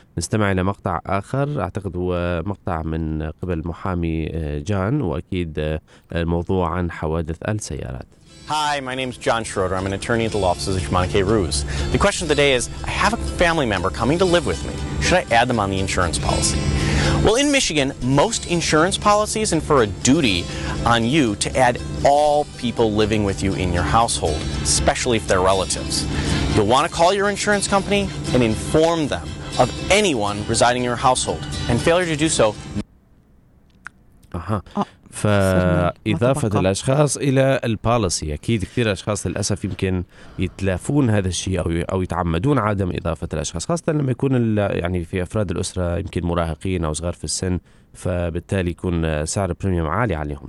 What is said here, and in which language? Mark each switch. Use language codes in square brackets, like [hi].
[ar] نستمع إلى مقطع آخر, أعتقد هو مقطع من قبل محامي جان, وأكيد الموضوع عن حوادث السيارات. [en] Hi, my name is John Schroeder. I'm an attorney at the law offices of Jumanne K. Roos. The question of the day is, I have a family member coming to live with me. Should I add them on the insurance policy? Well, in Michigan, most insurance policies infer a duty on you to add all people living with you in your household, especially if they're relatives. You'll want to call your insurance company and inform them of anyone residing in your household. And failure to do so... [ar] فإضافة الأشخاص إلى البوليسي, أكيد كثير أشخاص للأسف يمكن يتلافون هذا الشيء أو يتعمدون عدم إضافة الأشخاص, خاصة لما يكون يعني في أفراد الأسرة يمكن مراهقين أو صغار في السن, فبالتالي يكون سعر بريميوم عالي عليهم.